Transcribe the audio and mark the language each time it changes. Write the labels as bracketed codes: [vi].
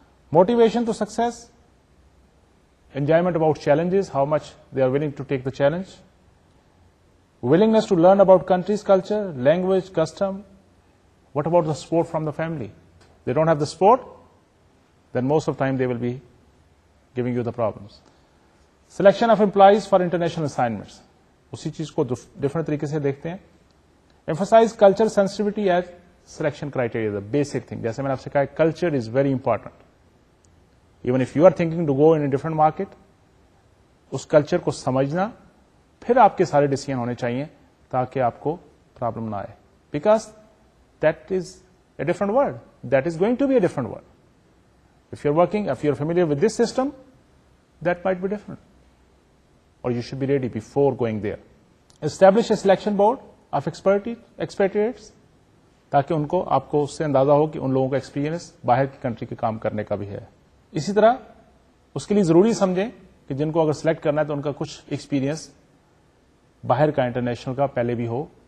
[en] Motivation to success, enjoyment about challenges, how much they are willing to take the challenge, willingness to learn about country's culture, language, custom. What about the support from the family? They don't have the support, then most of the time they will be giving you the problems. Selection of employees for international assignments. [ur] اسی چیز کو different طریقے سے دیکھتے ہیں. [en] Emphasize culture sensitivity as selection criteria, the basic thing. [ur] جیسے میں نے آپ سے کہا [en] culture is very important. Even if you are thinking to go in a different market, [ur] اس culture کو سمجھنا پھر آپ کے سارے decision ہونے چاہیے تاکہ آپ کو problem نہ آئے. [en] Because that is a different world. That is going to be a different world. If you are working, if you are familiar with this system, that might be different. Or you should be ready before going there. Establish a selection board of expatriates [ur] تاکہ ان کو آپ کو اس سے اندازہ ہو کہ ان لوگوں کا experience باہر کی کنٹری کے کام کرنے کا بھی ہے. اسی طرح اس کے لیے ضروری سمجھیں کہ جن کو اگر سلیکٹ کرنا ہے تو ان کا کچھ ایکسپیرئنس باہر کا انٹرنیشنل کا پہلے بھی ہو.